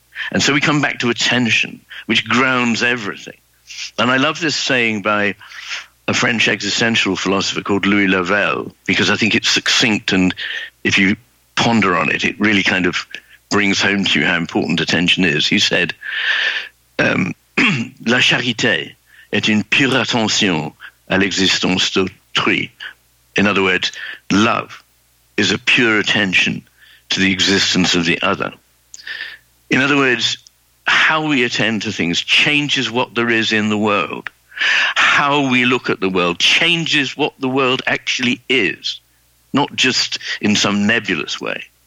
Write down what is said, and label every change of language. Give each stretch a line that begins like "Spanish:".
English: And so we come back to attention, which grounds everything. And I love this saying by a French existential philosopher called Louis Lavelle, because I think it's succinct, and if you ponder on it, it really kind of brings home to you how important attention is. He said,
French: la charité est une pure attention à l'existence d'autrui.
English: In other words, love is a pure attention to the existence of the other. In other words, how we attend to things changes what there is in the world. How we look at the world changes what the world actually is, not just in some nebulous way.